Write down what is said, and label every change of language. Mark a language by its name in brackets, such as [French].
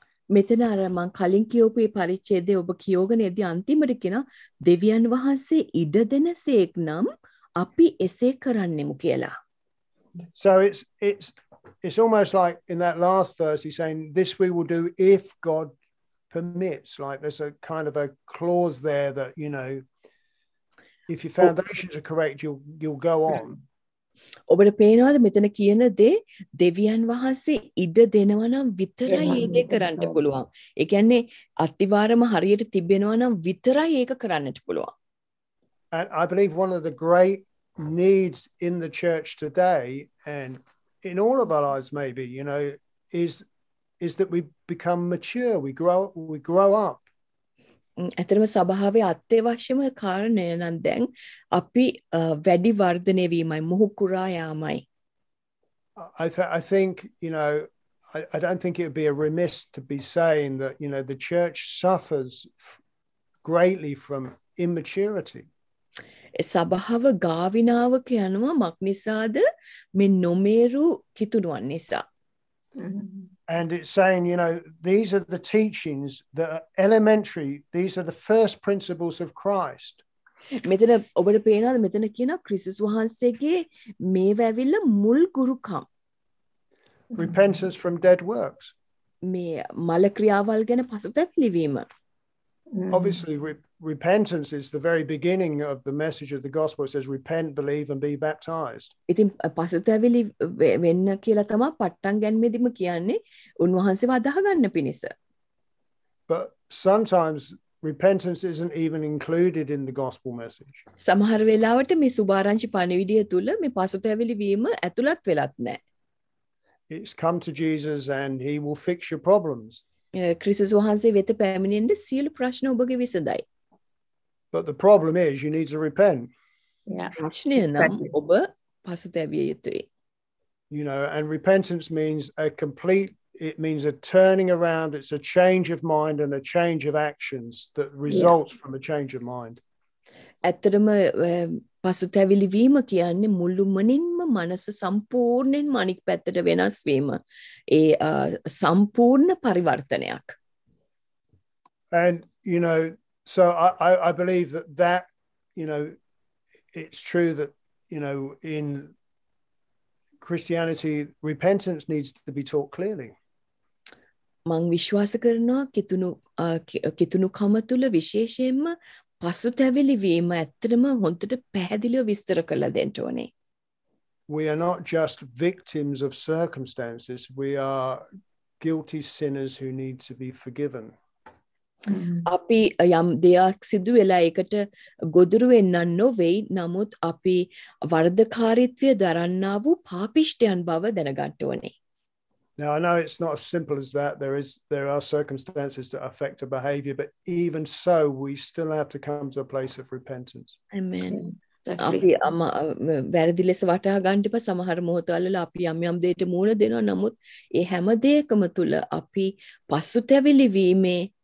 [Sinhala] මෙතන අර මං කලින් කියවපු මේ පරිච්ඡේදයේ ඔබ කියෝගෙන ඉදී අන්තිමට කියන දෙවියන් වහන්සේ ඉඩ දෙනසේක් නම් අපි එසේ කරන්නෙමු කියලා. [English] So it's almost like in that last verse he's saying this we will do if God permits. Like there's a kind of a clause there that you know if your foundations are correct you'll go on. [Sinhala] ඔබට පේනවද මෙතන කියන දේ දෙවියන් වහන්සේ ඉඩ දෙනවා නම් විතරයි ඒ දේ කරන්න පුළුවන්. ඒ කියන්නේ අත්තිවාරම හරියට තිබෙනවා නම් විතරයි ඒක කරන්නට පුළුවන්. [English] And I believe one of the great needs in the church today and in all of our lives maybe, you know, is that we become mature, we grow up. [Sinhala] ඇත්තම සභාවේ අත්‍යවශ්‍යම කාරණය නම් දැන් අපි වැඩි වර්ධනය වීමයි මුහුකුරා යාමයි. [English] I think, you know, I don't think it would be a remiss to be saying that, you know, the church suffers greatly from immaturity. [Sinhala] සභාව ගාවිනාව කියනවා මක් නිසාද මේ නොමේරු කිතුනුවන් නිසා. [English] And it's saying, you know, these are the teachings that are elementary. These are the first principles of Christ. [Sinhala] මෙතන ඔබට පේනවාද මෙතන කියන ක්‍රිස්තුස් වහන්සේගේ මේවැවිල මුල් ගුරුකම්. [English] Repentance from dead works. [Sinhala] මේ මල ක්‍රියාවල් ගැන පසුතැවිලි වීම. [English] Obviously, repentance is the very beginning of the message of the gospel. It says, repent, believe, and be baptized. [Sinhala] ඉතින් පසුතැවිලි වෙන්න කියලා තමයි පට්ටන් ගැනීමදිම කියන්නේ උන්වහන්සේව අදහගන්න පිණිස. [English] But sometimes repentance isn't even included in the gospel message. [Sinhala] සමහර වෙලාවට මේ සුභාරංචි පණිවිඩය තුල මේ පසුතැවිලි වීම ඇතුළත් වෙලත් නැහැ. [English] It's come to Jesus and he will fix your problems. [Sinhala] ක්‍රිස්තුස් වහන්සේ වෙත පැමිණෙන්න සියලු ප්‍රශ්න ඔබගේ විසඳයි. [English] But the problem is you need to repent. [Sinhala] Yeah. ප්‍රශ්නේ නම් ඔබ පසුතැවිය යුතුයි. [English] You know, and repentance means it means a turning around, it's a change of mind and a change of actions that results yeah. from a change of mind. [Sinhala] ඇත්තටම පසුතැවිලි වීම කියන්නේ මුළුමනින්ම මනස සම්පූර්ණයෙන්ම අනික් පැත්තට වෙනස් වීම. ඒ සම්පූර්ණ පරිවර්තනයක්. [English] And you know, so I believe that you know, it's true that you know in Christianity repentance needs to be taught clearly. [Sinhala] මං විශ්වාස කරනවා කිතුණු කම තුල විශේෂයෙන්ම පසුතැවිලි වීම ඇත්තටම හොඳට පැහැදිලිව විස්තර කළ දෙන්න ඕනේ. [English] we are not just victims of circumstances, we are guilty sinners who need to be forgiven. [Sinhala] අපි යම් දෙයක් සිදු වෙලා ඒකට ගොදුරු වෙන්න නොවේ නමුත් අපි වර්ධකාරීත්වය දරන්නා වූ පාපිෂ්ඨයන් බව දැනගන්න ඕනේ. [English] Now I know it's not as simple as that. There are circumstances that affect a behavior, but even so, we still have to come to a place of repentance. Amen. [Sinhala] අපි වැරදි ලෙස වටහා ගන්න ඉප සමහර මොහොතවල අපි යම් යම් දෙයකට මූණ දෙනවා නමුත් ඒ හැම දෙයකම තුල අපි පසුතැවිලි වීමේ